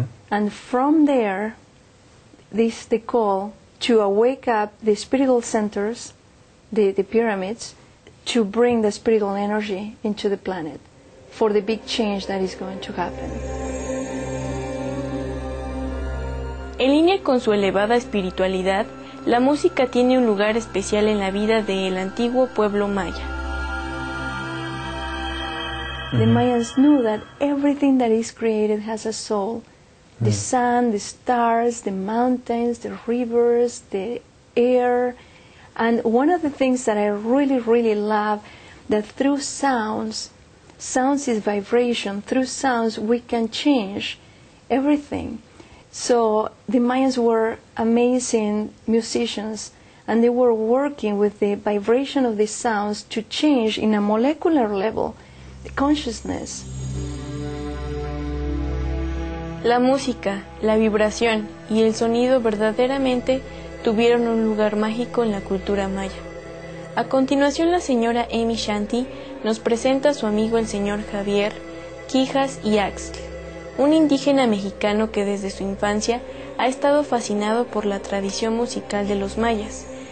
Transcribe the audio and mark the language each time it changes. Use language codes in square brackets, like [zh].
[en] And from there, this the call to awake up the spiritual centers, the pyramids, to bring the spiritual energy into the planet for the big change that is going to happen. [es] En línea con su elevada espiritualidad, la música tiene un lugar especial en la vida del antiguo pueblo maya. [en] The Mayans knew that everything that is created has a soul. The sun, the stars, the mountains, the rivers, the air. And one of the things that I really, really love, that through sounds is vibration. Through sounds, we can change everything. So the Mayans were amazing musicians, and they were working with the vibration of the sounds to change in a molecular level the consciousness. [es] La música, la vibración y el sonido verdaderamente tuvieron un lugar mágico en la cultura maya. A continuación, la señora Amy Shanti nos presenta a su amigo el señor Javier Quijas y Axel, un indígena mexicano que desde su infancia ha estado fascinado por la tradición musical de los mayas.